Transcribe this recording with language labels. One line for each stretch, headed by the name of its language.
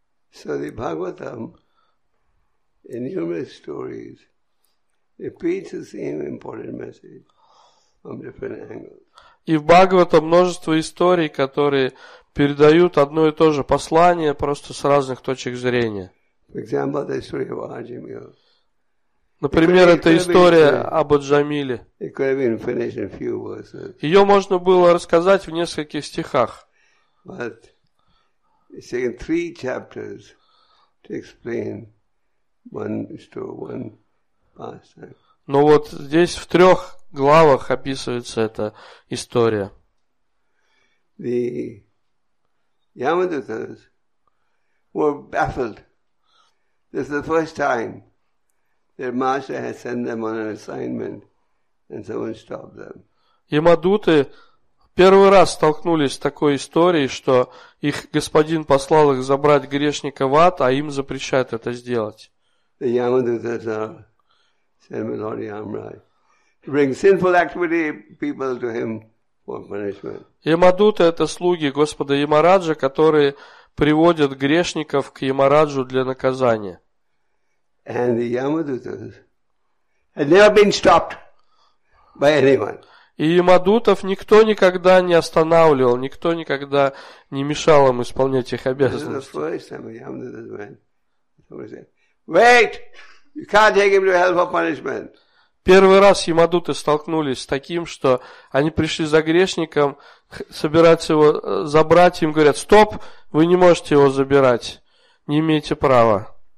English: So the Bhagavatam, in numerous stories, repeats the same important message from different angles.
Russian: И в Бхагаватам множество историй, которые передают одно и то же послание просто с разных точек зрения.
English: For example, the story of Arjamila.
Russian: Например, эта история об Аджамиле.
English: It could have been finished in a few verses.
Russian: Ее можно было рассказать в нескольких стихах.
English: But it's taken three chapters to explain one story, one.
Russian: Но вот здесь в трех главах описывается эта история.
English: The Yamadutas were baffled. This is the first time their master had sent them on an assignment, and someone stopped them.
Russian: Ямадуты первый раз столкнулись с такой историей, что их господин послал их забрать грешника в ад, а им запрещают это сделать.
English: The Yamadutas are Send my Lord Yamraj to bring sinful activity people to him for punishment.
Russian: Ямадуты — это слуги Господа Ямараджа, которые приводят грешников к Ямараджу для наказания.
English: And the Yamadutas had never been stopped by anyone.
Russian: И Ямадутов никто никогда не останавливал, никто никогда не мешал им исполнять их обязанности. Первый раз Ямадуты столкнулись с таким, что они пришли за грешником, собираются его забрать, им говорят: «Стоп, вы не можете его забирать, не имеете права».